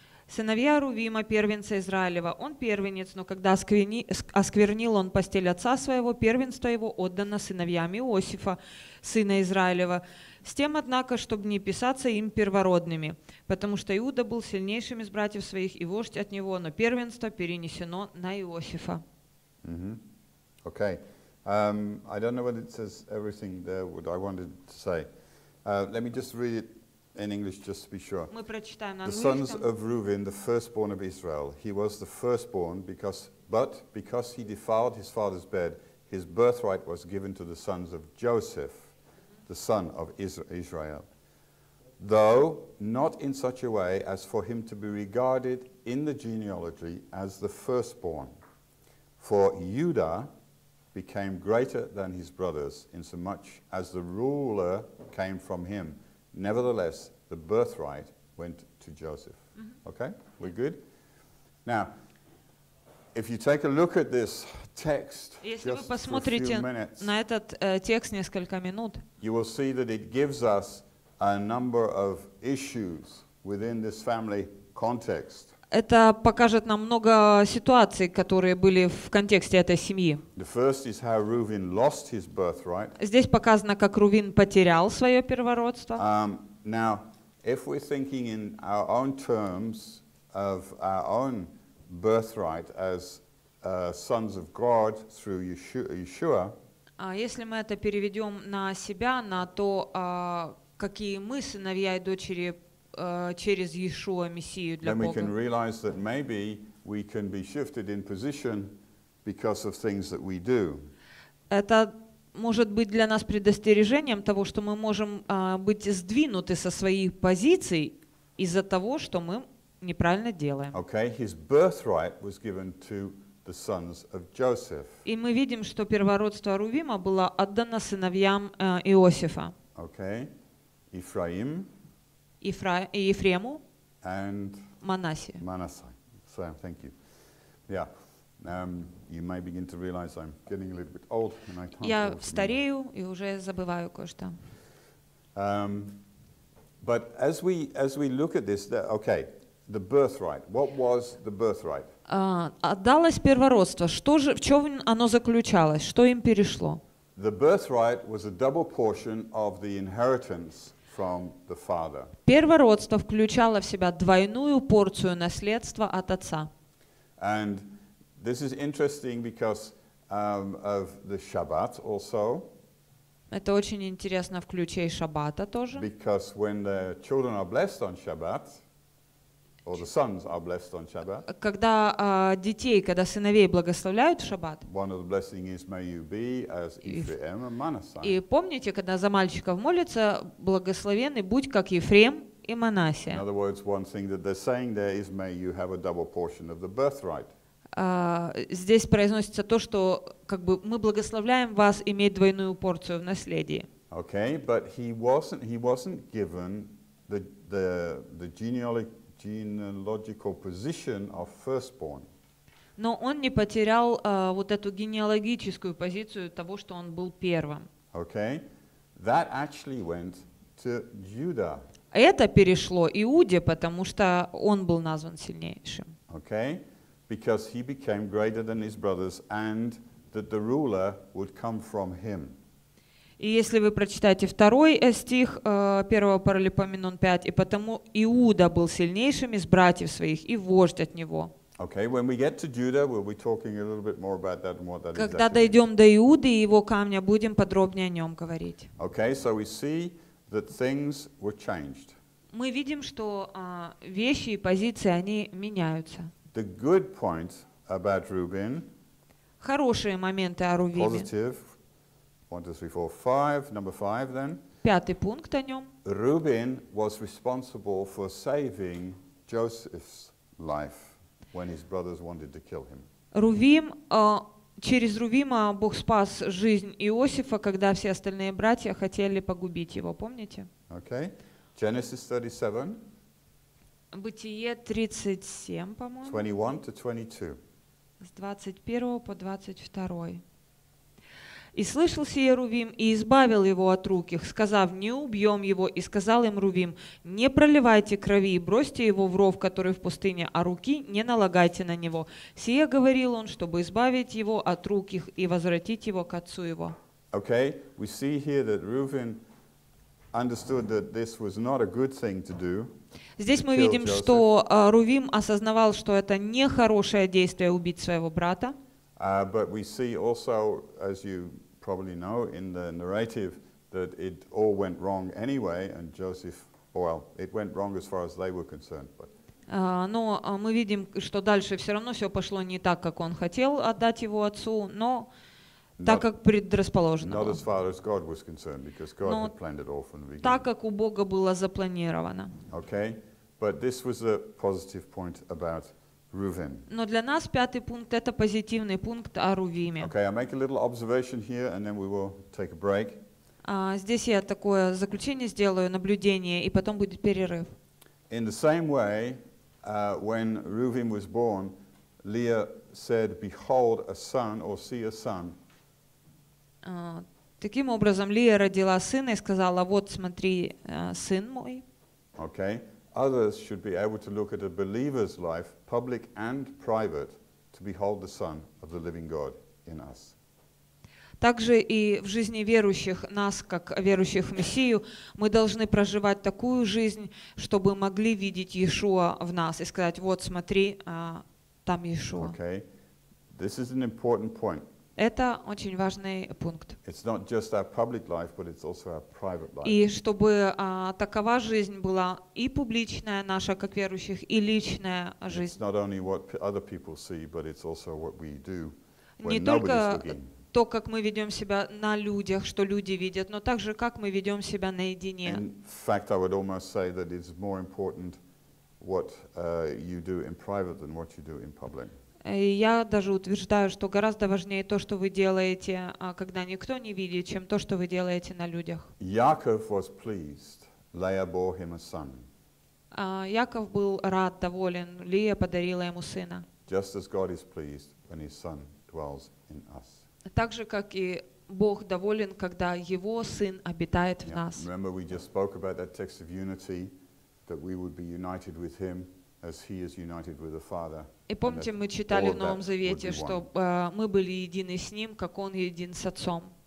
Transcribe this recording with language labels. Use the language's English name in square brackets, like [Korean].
[Russian] сыновья Рувима, первенца Израилева. Он первенец, но когда осквернил он постель отца своего, первенство его отдано сыновьям Иосифа, сына Израилева, с тем, однако, чтобы не писаться им первородными, потому что Иуда был сильнейшим из братьев своих, и вождь от него, но первенство перенесено на Иосифа. [English] Mm-hmm. Okay. I don't know whether it says everything there what I wanted to say. Let me just read it in English just to be sure. [Russian] Мы прочитаем на английском. [English] The sons of Reuben, the firstborn of Israel. He was the firstborn because he defiled his father's bed, his birthright was given to the sons of Joseph, the son of Israel. Though not in such a way as for him to be regarded in the genealogy as the firstborn. For Judah became greater than his brothers, insomuch as the ruler came from him. Nevertheless, the birthright went to Joseph. Mm-hmm. Okay, we're good? Now, if you take a look at this text, just for a few minutes, [Russian] на этот, текст несколько минут, [English] you will see that it gives us a number of issues within this family context. [Russian] Это покажет нам много ситуаций, которые были в контексте этой семьи. [English] The first is how Reuben lost his birthright. [Russian] Здесь показано, как Рувин потерял свое первородство. [English] Now, if we're thinking in our own terms of our own birthright as sons of God through Yeshua, [Russian] если мы это переведем на себя, на то, какие мы сыновья и дочери через Иешуа, Мессию для [English] Then [Russian] Бога. [English] We can realize that maybe we can be shifted in position because of things that we do. [Russian] Это может быть для нас предостережением того, что мы можем быть сдвинуты со своих позиций из-за того, что мы неправильно делаем. [English] Okay, his birthright was given to the sons of Joseph. [Russian] И мы видим, что первородство Рувима было отдано сыновьям Иосифа. [English] Okay, Ephraim. [Russian] Ефрему [English] and [Russian] Манасе. [English] Manasseh. So, thank you. Yeah. You may begin to realize I'm getting a little bit old and I can't. [Russian] Я старею и уже забываю кое-что. [English] But as we look at this, the birthright. What was the birthright? [Russian] Отдалось первородство. Что же, в чем оно заключалось? Что им перешло? [English] The birthright was a double portion of the inheritance from the father. [Russian] Первородство включало в себя двойную порцию наследства от отца. [English] And this is interesting because of the Shabbat also. [Russian] Это очень интересно в ключе Шаббата тоже. [English] Because when the children are blessed on Shabbat, or the sons are blessed on Shabbat. [Russian] Когда детей, когда сыновей благословляют в Шаббат. [English] One of the blessings is may you be as Ephraim and Manasseh. [Russian] И помните, когда за мальчиков молятся, благословен и будь как Ефрем и Манасия. [English] In other words, one thing that they're saying there is may you have a double portion of the birthright. [Russian] Здесь произносится то, что как бы мы благословляем вас иметь двойную порцию в наследии. [English] Okay, but he wasn't given the genealogical position of firstborn. [Russian] Но он не потерял вот эту генеалогическую позицию того, что он был первым. [English] Okay. That actually went to Judah. [Russian] Это перешло Иуде, потому что он был назван сильнейшим. [English] Okay. Because he became greater than his brothers and that the ruler would come from him. [Russian] И если вы прочитаете второй стих 1 Паралипоменон 5, и потому Иуда был сильнейшим из братьев своих и вождь от него. [English] Okay, when we get to Judah, we'll be talking a little bit more about that and what that is. [Russian] Когда дойдем до Иуды и его камня, будем подробнее о нем говорить. [English] Okay, so we see that things were changed. [Russian] Мы видим, что вещи и позиции они меняются. [English] The good point about Reuben. [Russian] Хорошие моменты о Рувиме. [English] Positive. 1, 2, 3, 4, 5. Number 5, then. [Russian] Пятый пункт о нем. [English] Reuben was responsible for saving Joseph's life when his brothers wanted to kill him. [Russian] Рувим, через Рувима Бог спас жизнь Иосифа, когда все остальные братья хотели погубить его. Помните? [English] Okay. Genesis 37. [Russian] Бытие 37, по-моему. [English] 21 to 22. [Russian] С 21 по 22. И слышал сие Рувим, и избавил его от рук их, сказав, не убьем его, и сказал им Рувим, не проливайте крови, и бросьте его в ров, который в пустыне, а руки не налагайте на него. Сие говорил он, чтобы избавить его от рук их и возвратить его к отцу его. [English] Okay, we see here that Reuven understood that this was not a good thing to do. [Russian] Здесь мы видим, что Рувим осознавал, что это нехорошее действие убить своего брата. [English] But we see also, as you probably know, in the narrative, that it all went wrong anyway, and Joseph, well, it went wrong as far as they were concerned. But. [Russian] Но мы видим, что дальше все равно все пошло не так, как он хотел отдать его отцу, но так, как предрасположено. [English] Not as far as God was concerned, because God had planned it all from the beginning. [Russian] Так, как у Бога было запланировано. [English] Okay, but this was a positive point about Reuven. [Russian] Но для нас пятый пункт — это позитивный пункт о Рувиме. [English] Okay, I'll make a little observation here, and then we will take a break. [Russian] Здесь я такое заключение сделаю, наблюдение, и потом будет перерыв. [English] In the same way, when Reuven was born, Leah said, "Behold a son," or "See a son." [Russian] Таким образом, Лия родила сына и сказала, вот смотри, сын мой. [English] Okay. Others should be able to look at a believer's life, public and private, to behold the Son of the living God in us. [Russian] Также и в жизни верующих, нас, как верующих в Мессию, мы должны проживать такую жизнь, чтобы могли видеть Иешуа в нас и сказать, вот смотри, там Иешуа. [English] Okay. This is an important point. [Russian] Это очень важный пункт. [English] It's not just our public life, but it's also our private life. [Russian] И чтобы такова жизнь была и публичная наша, как верующих, и личная жизнь. [English] It's not only what other people see, but it's also what we do when [Russian] Не только то, как мы ведем себя на людях, что люди видят, но также как мы ведем себя наедине. [English] In fact, I would almost say that it's more important what you do in private than what you do in public. [Russian] И я даже утверждаю, что гораздо важнее то, что вы делаете, когда никто не видит, чем то, что вы делаете на людях. [English] Яков was pleased. Leah bore him a son. [Russian] Яков был рад, доволен. Лия подарила ему сына. [English] Just as God is pleased when his son dwells in us. [Russian] Так же, как и Бог доволен, когда его сын обитает в нас. [English] Remember, we just spoke about that text of unity, that we would be united with him as he is united with the Father. [Russian] И помните, мы читали в Новом Завете, что мы были едины с Ним, как Он един с Отцом.